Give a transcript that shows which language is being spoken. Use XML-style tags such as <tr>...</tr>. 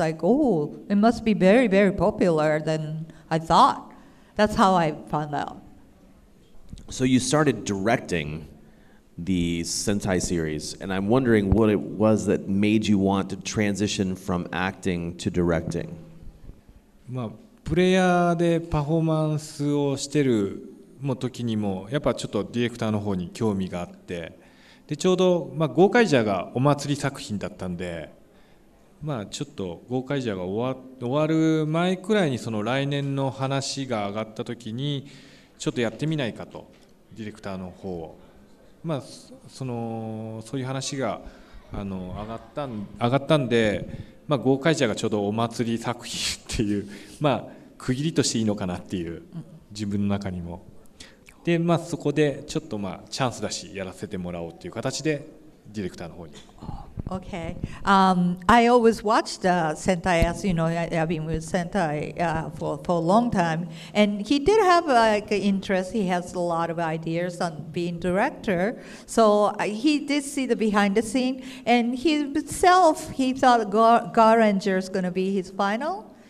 <en>Like, oh, it must be very, very popular than I thought. That's how I found out. So you started directing the Sentai series, and I'm wondering what it was that made you want to transition from acting to directing.</en> <ja>まあ、プレイヤーでパフォーマンスをしてるも時にもやっぱちょっとディレクターの方に興味があって、でちょうど、まあ、ゴーカイジャーがお祭り作品だったんで、まあ、ちょっとゴーカイジャーが終わる前くらいにその来年の話が上がった時にちょっとやってみないかとディレクターの方を、まあ、そういう話が上がったんで、まあ、ゴーカイジャーがちょうどお祭り作品っていう、まあ、区切りとしていいのかなっていう自分の中にも、で、まあ、そこでちょっと、まあ、チャンスだしやらせてもらおうっていう形でディレクターの方に。</ja> <en>Okay. I always watched Sentai, as you know, I've been with Sentai for a long time. And he did have like, interest, he has a lot of ideas on being director. So he did see the behind the scene. And himself, he thought Garanger is going to be his final.</en>